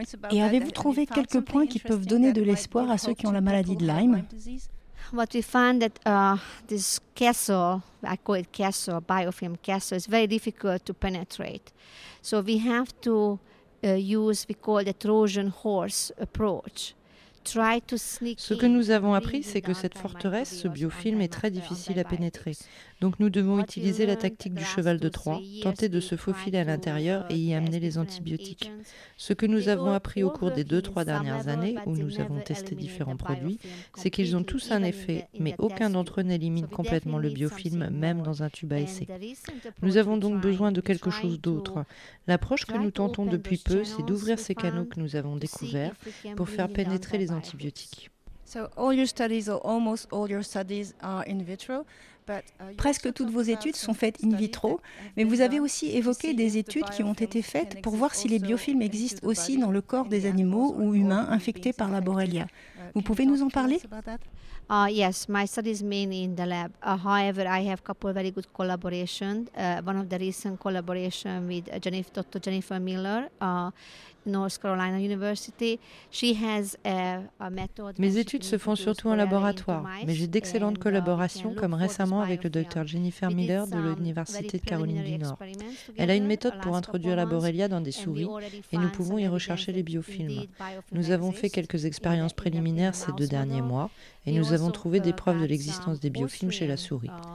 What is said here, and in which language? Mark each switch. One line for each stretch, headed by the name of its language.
French: Et avez-vous trouvé quelques points qui peuvent donner de l'espoir à ceux qui ont la maladie de Lyme?
English: What we found that this castle, I call it castle, biofilm castle, is very difficult to penetrate. So we have to use, we call the Trojan horse approach.
French: Ce que nous avons appris, c'est que cette forteresse, ce biofilm, est très difficile à pénétrer. Donc nous devons utiliser la tactique du cheval de Troie, tenter de se faufiler à l'intérieur et y amener les antibiotiques. Ce que nous avons appris au cours des 2-3 dernières années, où nous avons testé différents produits, c'est qu'ils ont tous un effet, mais aucun d'entre eux n'élimine complètement le biofilm, même dans un tube à essai. Nous avons donc besoin de quelque chose d'autre. L'approche que nous tentons depuis peu, c'est d'ouvrir ces canaux que nous avons découverts pour faire pénétrer les antibiotiques.
English: So all your studies or almost all your studies are in vitro.
French: Presque toutes vos études sont faites in vitro, mais vous avez aussi évoqué des études qui ont été faites pour voir si les biofilms existent aussi dans le corps des animaux ou humains infectés par la Borrelia. Vous pouvez nous en parler?
English: Yes, my studies mainly in the lab. However, I have a couple of very good collaborations. One of the recent collaborations with Dr. Jennifer Miller, North Carolina University. She has a method.
French: Mes études se font surtout en laboratoire, mais j'ai d'excellentes collaborations, comme récemment avec le Dr. Jennifer Miller de l'Université de Caroline du Nord. Elle a une méthode pour introduire la Borrelia dans des souris, et nous pouvons y rechercher les biofilms. Nous avons fait quelques expériences préliminaires ces deux derniers mois, et nous avons trouvé des preuves de l'existence des biofilms chez la souris.